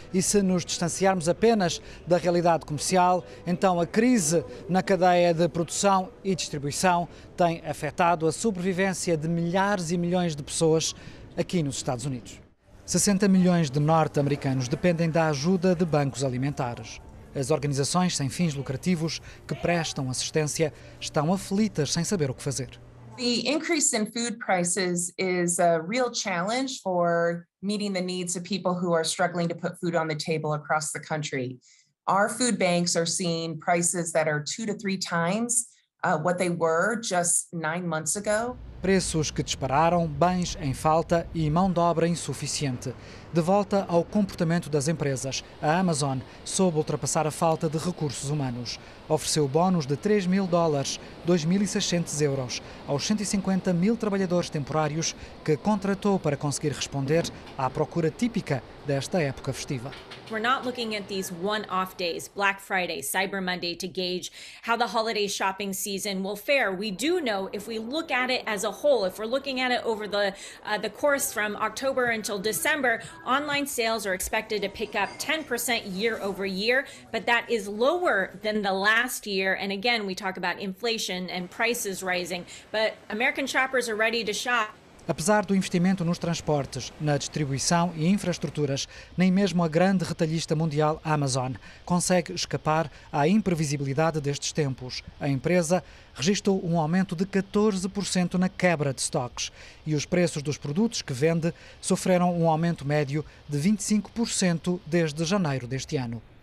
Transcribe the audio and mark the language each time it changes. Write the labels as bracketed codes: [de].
[pt] E se nos distanciarmos apenas da realidade comercial, então a crise na cadeia de produção e distribuição tem afetado a sobrevivência de milhares e milhões de pessoas aqui nos Estados Unidos. 60 milhões de norte-americanos dependem da ajuda de bancos alimentares. As organizações sem fins lucrativos que prestam assistência estão aflitas sem saber o que fazer. [en] The increase in food prices is a real challenge for meeting the needs of people who are struggling to put food on the table across the country. Our food banks are seeing prices that are 2 to 3 times what they were just 9 months ago. [pt] Preços que dispararam, bens em falta e mão de obra insuficiente. De volta ao comportamento das empresas, a Amazon soube ultrapassar a falta de recursos humanos. Ofereceu bónus de $3,000, 2.600 euros, aos 150 mil trabalhadores temporários que contratou para conseguir responder à procura típica desta época festiva. [en] We're not looking at these one-off days, Black Friday, Cyber Monday, to gauge how the holiday shopping season will fare. We do know if we look at it as a whole, if we're looking at it over the course from October until December, online sales are expected to pick up 10% year over year, but that is lower than the last year. And again, we talk about inflation and prices rising, but American shoppers are ready to shop. [pt] Apesar do investimento nos transportes, na distribuição e infraestruturas, nem mesmo a grande retalhista mundial Amazon consegue escapar à imprevisibilidade destes tempos. A empresa registou um aumento de 14% na quebra de stocks e os preços dos produtos que vende sofreram um aumento médio de 25% desde janeiro deste ano.